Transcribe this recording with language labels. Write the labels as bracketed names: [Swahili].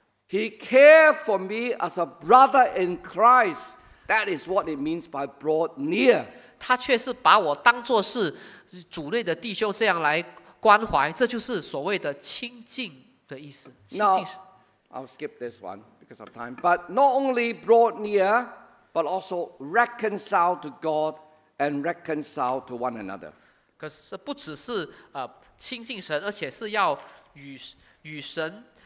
[English] He cared for me as a brother in Christ. That is what it means by brought near. [Chinese] 他却是把我当作是主内的弟兄这样来关怀，这就是所谓的亲近的意思。 [English] Now, I'll skip this one. Because of time, but not only brought near, but also reconciled to God and reconciled to one another. [Chinese] 可是不只是亲近神，而且是要与神